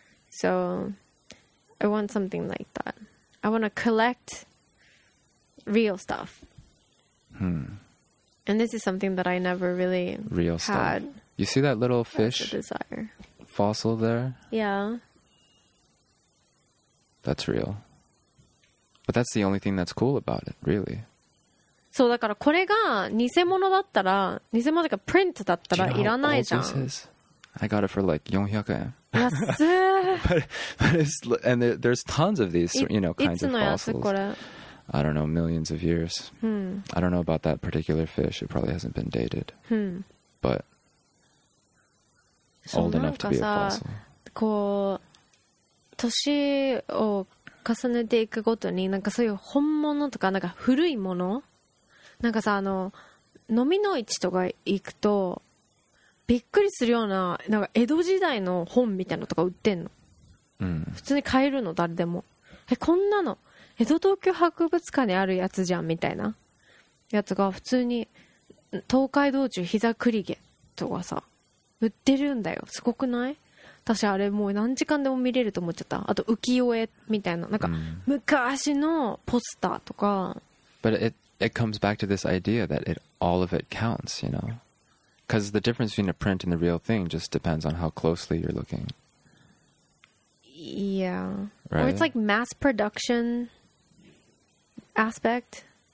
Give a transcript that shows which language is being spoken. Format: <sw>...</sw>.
<en>So I want something like that. I want to collect real stuff. Hmm. And this is something that I never really real had. Stuff. You see that little fish desire. Fossil there? Yeah. That's real. But that's the only thing that's cool about it, really.</en> <ja>So, だからこれが偽物だったら、偽物がプリントだったらいらないじゃん。</ja> <en>Do you know how old this is? I got it for like 400 yen. but it's, and there's tons of these, you know, kinds of fossils. I don't know, millions of years. Hmm. I don't know about that particular fish. It probably hasn't been dated. Hmm. But old enough to be a fossil.</en> <ja>こう、年を重ねていくごとに、なんかそういう本物とか、なんか古いもの、なんかさ、あの、飲みの市とか行くと、びっくりするよう なんか江戸時代の本みたいなのとか売ってんの、うん、普通に買えるの誰でもえこんなの江戸東京博物館にあるやつじゃんみたいなやつが普通に東海道中膝くりげとかさ売ってるんだよすごくない私あれもう何時間でも見れると思っちゃったあと浮世絵みたい なんか昔のポスターとか、</ja> <en>うん、But it comes back to this idea that all of it counts, you know? Because the difference between a print and the real thing just depends on how closely you're looking. Yeah. Right? Or it's like mass production aspect.</en>